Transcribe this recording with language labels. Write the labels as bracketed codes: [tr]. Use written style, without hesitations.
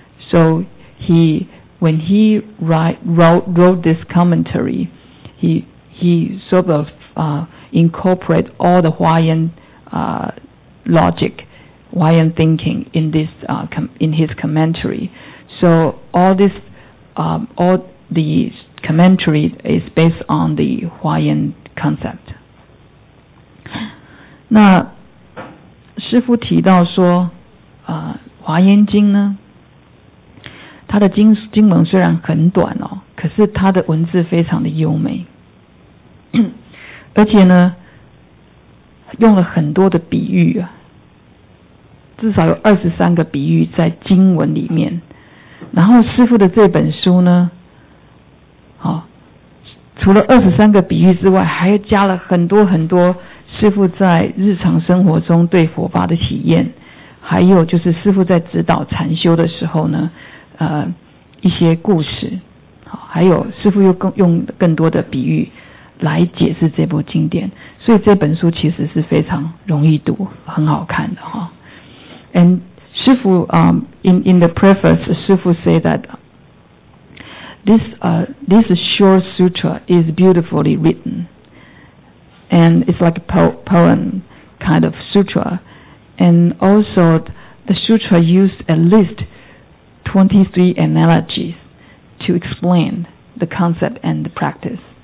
[en] So when he wrote this commentary, he incorporate all the Hua Yan logic, Hua Yan thinking in this in his commentary. So all the commentary is based on the Hua Yan concept. [zh] 那师父提到说，华严经呢，它的经文虽然很短哦，可是它的文字非常的优美，而且呢，用了很多的比喻啊，至少有23个比喻在经文里面。然后师父的这本书呢，除了23个比喻之外，还加了很多很多。师父在日常生活中对佛法的体验，还有就是师父在指导禅修的时候呢，一些故事，还有师父又用更多的比喻来解释这部经典，所以这本书其实是非常容易读，很好看的哈。 [en] And 师父in the preface, 师父 say that this short sutra is beautifully written. And it's like a poem kind of sutra. And also, the sutra used at least 23 analogies to explain the concept and the practice.